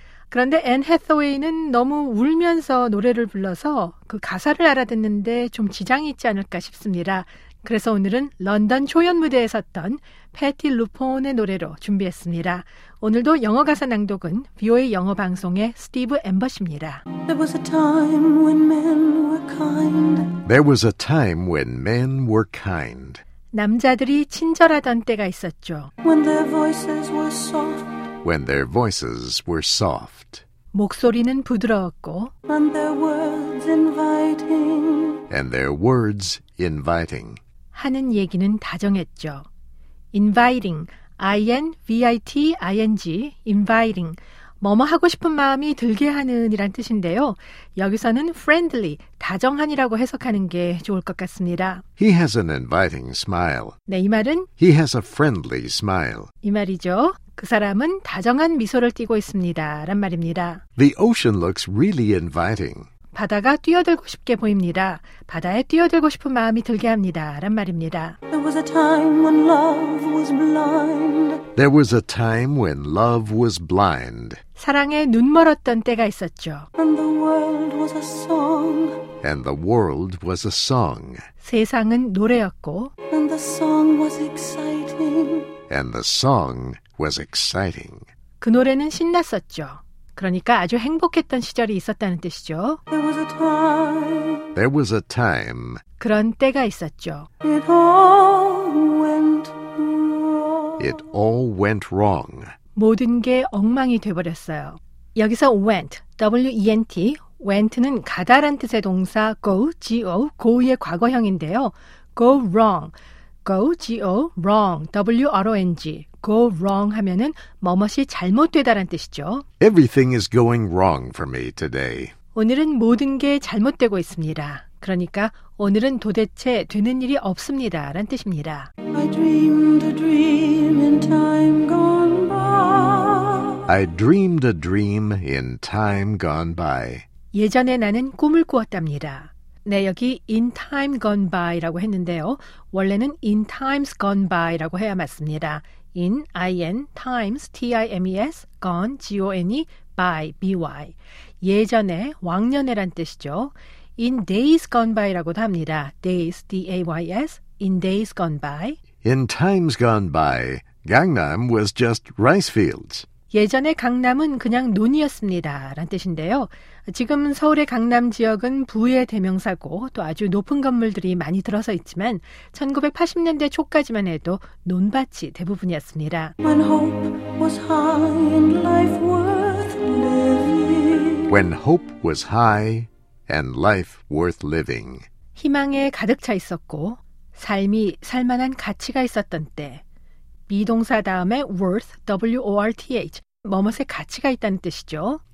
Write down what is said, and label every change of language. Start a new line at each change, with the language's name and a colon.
Korean: 그런데 앤 해서웨이는 너무 울면서 노래를 불러서 그 가사를 알아듣는데 좀 지장이 있지 않을까 싶습니다. 그래서 오늘은 런던 초연 무대에 섰던 패티 루폰의 노래로 준비했습니다. 오늘도 영어 가사 낭독은 VOA 영어 방송의 스티브 앰버시입니다.
English: There was a time when men were kind. There was a time when men were kind.
Korean: 남자들이 친절하던 때가 있었죠.
English: When their voices were soft. When their voices were soft.
Korean: 목소리는 부드러웠고
English: And their words inviting. And their words inviting.
Korean: 하는 얘기는 다정했죠.
English: Inviting, I-N-V-I-T-I-N-G, inviting.
Korean: 뭐뭐 하고 싶은 마음이 들게 하는 이란 뜻인데요. 여기서는 friendly, 다정한이라고 해석하는 게 좋을 것 같습니다.
English: He has an inviting smile.
Korean: 네, 이 말은
English: He has a friendly smile.
Korean: 이 말이죠. 그 사람은 다정한 미소를 띠고 있습니다. 란 말입니다.
English: The ocean looks really inviting.
Korean: 바다가 뛰어들고 싶게 보입니다. 바다에 뛰어들고 싶은 마음이 들게 합니다. 란 말입니다.
English: There was a time when love was blind. There was a time when love was blind.
Korean: 사랑에 눈 멀었던 때가 있었죠.
English: And the world was a song. And the world was a song.
Korean: 세상은 노래였고.
English: And the song was exciting. And the song was exciting.
Korean: 그 노래는 신났었죠. 그러니까 아주 행복했던 시절이 있었다는 뜻이죠.
English: There was a time. There was a time.
Korean: 그런 때가 있었죠.
English: It all went wrong. It all went wrong.
Korean: 모든 게 엉망이 돼버렸어요. 여기서 went, W-E-N-T, went는 가다란 뜻의 동사 go, G-O, go의 과거형인데요.
English: Go wrong, go, G-O, wrong, W-R-O-N-G.
Korean: Go wrong 하면은 뭐뭐시 잘못되다란 뜻이죠.
English: Everything is going wrong for me today.
Korean: 오늘은 모든 게 잘못되고 있습니다. 그러니까 오늘은 도대체 되는 일이 없습니다란 뜻입니다.
English: I dreamed a dream in time gone by. I dreamed a dream in time gone by.
Korean: 예전에 나는 꿈을 꾸었답니다. 네, 여기
English: in time gone by
Korean: 라고 했는데요. 원래는
English: in times gone by
Korean: 라고 해야 맞습니다.
English: In, I-N, times, T-I-M-E-S, gone, G-O-N-E, by, B-Y.
Korean: 예전에, 왕년에란 뜻이죠.
English: In days gone by
Korean: 라고도 합니다.
English: Days, D-A-Y-S, in days gone by. In times gone by, Gangnam was just rice fields.
Korean: 예전에 강남은 그냥 논이었습니다. 라는 뜻인데요. 지금 서울의 강남 지역은 부의 대명사고 또 아주 높은 건물들이 많이 들어서 있지만 1980년대 초까지만 해도 논밭이 대부분이었습니다.
English: When hope was high and life worth living. When hope was high and life worth living.
Korean: 희망에 가득 차 있었고 삶이 살만한 가치가 있었던 때 미동사 다음에 worth, W-O-R-T-H, 뭐뭐의 가치가 있다는 뜻이죠.